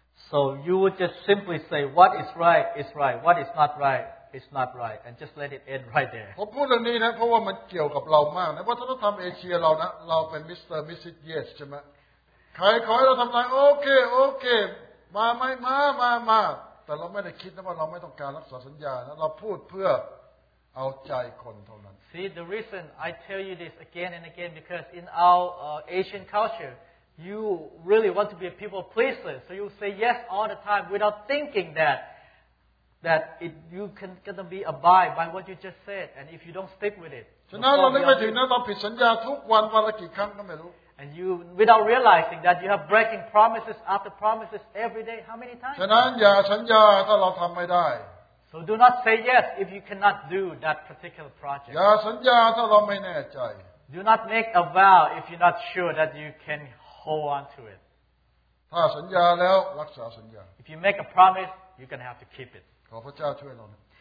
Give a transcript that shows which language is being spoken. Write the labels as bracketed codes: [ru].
[en] So you would just simply say what is right is right what is not rightIt's not right, and just let it end right there. [th] ผมพูดเรื่องนี้นะเพราะว่ามันเกี่ยวกับเรามากนะวัฒนธรรมเอเชียเรานะเราเป็นมิสเตอร์มิสซิสเยสใช่ไหมใครขอให้เราทำอะไรโอเคโอเคมาไหมมามามาแต่เราไม่ได้คิดนะว่าเราไม่ต้องการรักษาสัญญานะเราพูดเพื่อเอาใจคนเท่านั้น [en] See the reason I tell you this again and again because in our Asian culture, you really want to be a people pleaser, so you say yes all the time without thinking that. That it you can gonna be abide by what you just said, and if you don't stick with it, and you without realizing that you have breaking promises after promises every day, how many times? [th] ฉะนั้นอย่าสัญญาถ้าเราทำไม่ได้ [en] So do not say yes if you cannot do that particular project. [th] อย่าสัญญาถ้าเราไม่แน่ใจ [en] Do not make a vow if you're not sure that you can hold on to it. [th] ถ้าสัญญาแล้วรักษาสัญญา [en] If you make a promise, you're gonna have to keep it. [th] ขอพระเจ้าช่วยเรานะ